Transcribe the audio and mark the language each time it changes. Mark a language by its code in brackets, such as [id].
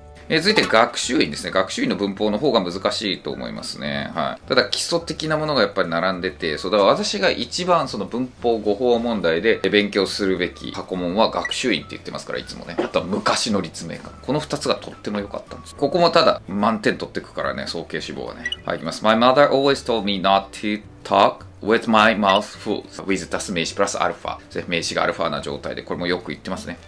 [ja] 続いて学習院ですね。学習院の文法の方が難しいと思いますね。はい。ただ基礎的なものがやっぱり並んでて、そう、だから私が一番その文法語法問題で勉強するべき過去問は学習院って言ってますから、いつもね。あとは昔の立命館。この二つがとっても良かったんです。ここもただ満点取ってくからね、早慶志望はね。はい、いきます。 [en] My mother always told me not to talk. With my mouth full. With plus 名詞 plus alpha. [ja] 名詞がアルファな状態で、これもよく言ってますね。